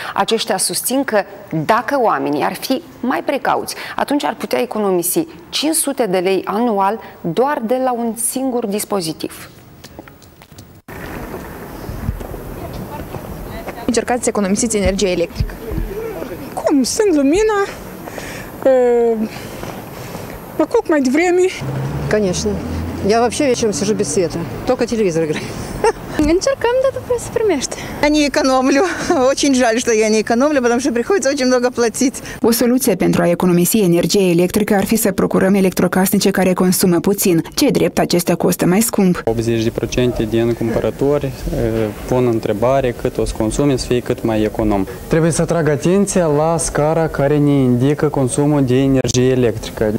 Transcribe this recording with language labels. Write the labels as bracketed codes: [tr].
[ro] Aceștia susțin că dacă oamenii ar fi mai precauți, atunci ar putea economisi 500 de lei anual doar de la un singur dispozitiv. Încercați să economisiți energie electrică. Cum? Sunt lumina, mă cuc mai devreme. [ru] Конечно. Я вообще вечером сижу без света. Только телевизор играю. [ro] Încercăm, dar după se primește. [ru] Я не экономлю. Очень жаль, что я не экономлю, потому что приходится очень много платить. [ro] O soluție pentru a economisi energie electrică ar fi să procurăm electrocasnice care consumă puțin. Ce drept, acestea costă mai scump. 80% din cumpărători pun întrebare cât o să consume, să fie cât mai econom. Trebuie să atrag atenția la scara care ne indică consumul de energie electrică.